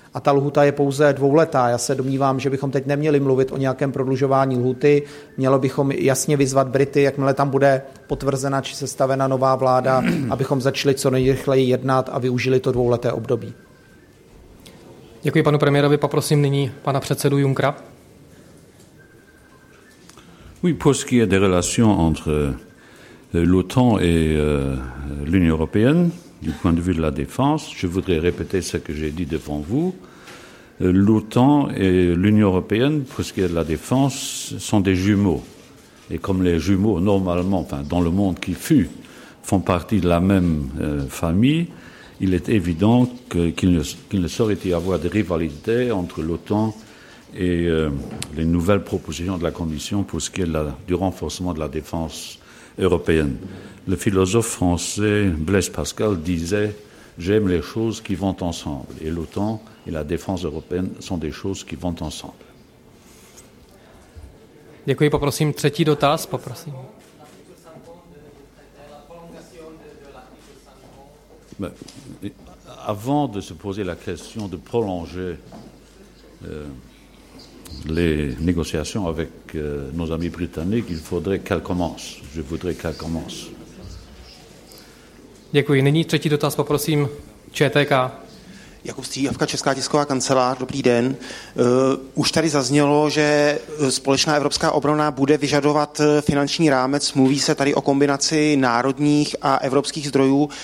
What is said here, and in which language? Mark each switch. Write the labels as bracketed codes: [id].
[cs] A ta lhůta je pouze dvouletá. Já se domnívám, že bychom teď neměli mluvit o nějakém prodlužování lhůty. Mělo bychom jasně vyzvat Brity, jakmile tam bude potvrzena či sestavena nová vláda, abychom začali co nejrychleji jednat a využili to dvouleté období. Děkuji panu premiérovi. Poprosím nyní pana předsedu Junckera. [fr] Oui, pour ce qui est des relations entre l'OTAN et l'Union européenne. Du point de vue de la défense, je voudrais répéter ce que j'ai dit devant vous. l'OTAN et l'Union européenne, pour ce qui est de la défense, sont des jumeaux. Et comme les jumeaux, normalement, enfin, dans le monde qui fut, font partie de la même famille, il est évident qu'il ne saurait y avoir de rivalité entre l'OTAN et les nouvelles propositions de la Commission pour ce qui est du renforcement de la défense européenne. Le philosophe français Blaise Pascal disait « J'aime les choses qui vont ensemble ». Et l'OTAN et la défense européenne sont des choses qui vont ensemble. [cs] Děkuji, poprosím třetí dotaz, poprosím. [fr] Mais avant de se poser la question de prolonger les négociations avec nos amis britanniques, il faudrait qu'elles commencent. Je voudrais qu'elles commencent. [cs] Děkuji. Nyní třetí dotaz, poprosím ČTK. Jakub Střívka, Česká tisková kancelář, dobrý den. Už tady zaznělo, že společná evropská obrana bude vyžadovat finanční rámec. Mluví se tady o kombinaci národních a evropských zdrojů.